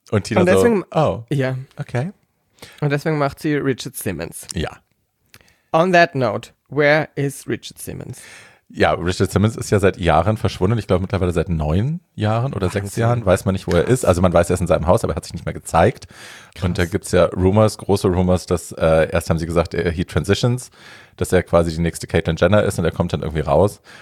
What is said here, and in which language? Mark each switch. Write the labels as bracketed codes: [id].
[de] Und Tina und deswegen, so, oh. Ja. Okay. Und deswegen macht sie Richard Simmons. Ja. [en] On that note, where is Richard Simmons? [de] Ja, Richard Simmons ist ja seit Jahren verschwunden. Ich glaube mittlerweile seit 9 Jahren oder 6 Jahren. Weiß man nicht, wo er ist. Also man weiß, er ist in seinem Haus, aber er hat sich nicht mehr gezeigt. Krass. Und da gibt's ja große Rumors, dass erst haben sie gesagt, he transitions, dass er quasi die nächste Caitlyn Jenner ist und er kommt dann irgendwie raus.